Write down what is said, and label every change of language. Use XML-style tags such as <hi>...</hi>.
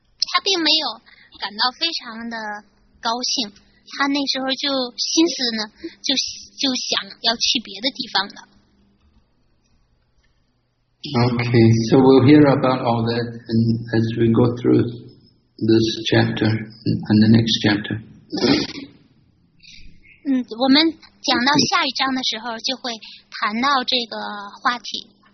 <zh>他并没有感到非常的高兴，他那时候就心思呢，就想要去别的地方了。</zh> <en>Okay, so we'll hear about all that as we go through this chapter and the next chapter.</en> <zh>我们讲到下一章的时候就会谈到这个话题。</zh>